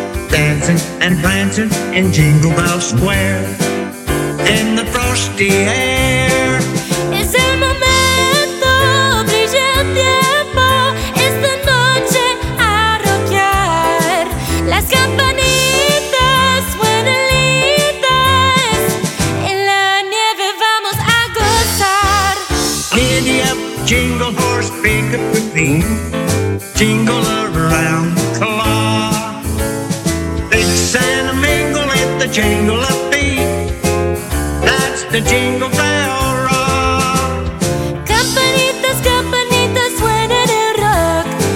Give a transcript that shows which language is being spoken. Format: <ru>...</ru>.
<en>Dancing and prancing in Jingle Bell Square in the frosty air.</en> <es>Es el momento, brilla el tiempo, es la noche a rockear. Las campanitas suenan lindas, en la nieve vamos a gozar.</es> <en>Giddy up, jingle horse, pick up the theme. Jingle around the clock. Mix and mingle at the jingle of feet. That's the jingle bell rock.</en> <es>Campanitas, campanitas suenan el rock.</es>